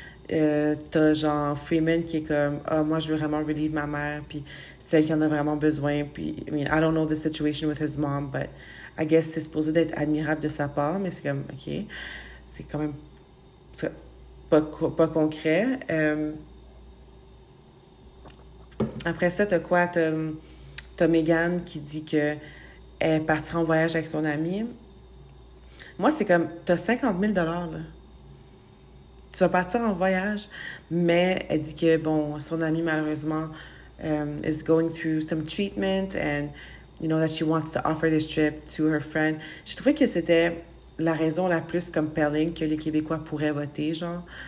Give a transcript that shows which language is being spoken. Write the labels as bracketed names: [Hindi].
[French] T'as genre Freeman qui est comme, ah, oh, moi, je veux vraiment relieve ma mère, puis celle qui en a vraiment besoin, puis, [English] I mean, I don't know the situation with his mom, [French] but I guess c'est supposé d'être admirable de sa part, mais c'est comme, OK, c'est quand même pas concret. Après ça, t'as quoi? T'as Megan qui dit qu'elle est partie en voyage avec son amie. Moi, c'est comme, t'as 50 000 $, là. Tu vas partir en voyage, mais elle dit que, bon, son amie, malheureusement, [English] is going through some treatment and that she wants to offer this trip to her friend. [French] J'ai trouvé que c'était la raison la plus compelling que les Québécois pourraient voter, genre.